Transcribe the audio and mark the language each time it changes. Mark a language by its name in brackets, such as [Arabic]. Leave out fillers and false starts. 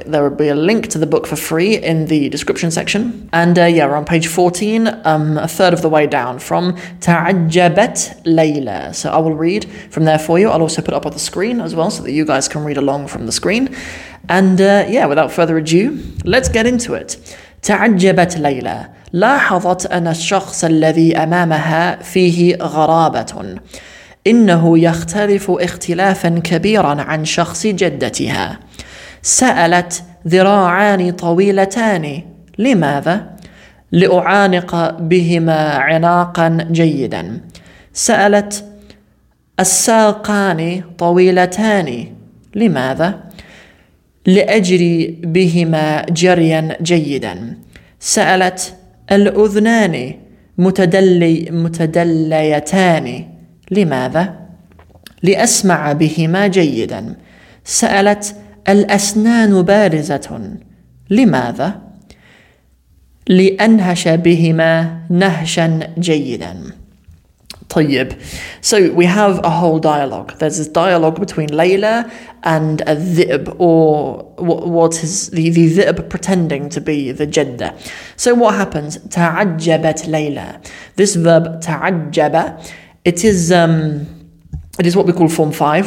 [English] There will be a link to the book for free in the description section. And yeah, we're on page 14, a third of the way down from Ta'ajjabat Layla. So I will read from there for you. I'll also put it up on the screen as well so that you guys can read along from the screen. And yeah, without further ado, let's get into it. [Arabic] تعجبت ليلى لاحظت أن الشخص الذي أمامها فيه غرابة إنه يختلف اختلافا كبيرا عن شخص جدتها سألت ذراعان طويلتان لماذا؟ لأعانق بهما عناقا جيدا سألت الساقان طويلتان لماذا؟ لأجري بهما جريا جيدا سألت الأذنان متدليتان لماذا؟ لأسمع بهما جيدا سألت الأسنان بارزة لماذا؟ لأنهش بهما نهشا جيدا طيب. [English] So we have a whole dialogue. There's this dialogue between Layla and a Dhib, or what is the Dhib pretending to be the Jeddah. So what happens? [Arabic] تعجبت ليلى. [English] This verb تعجب, it is what we call form 5.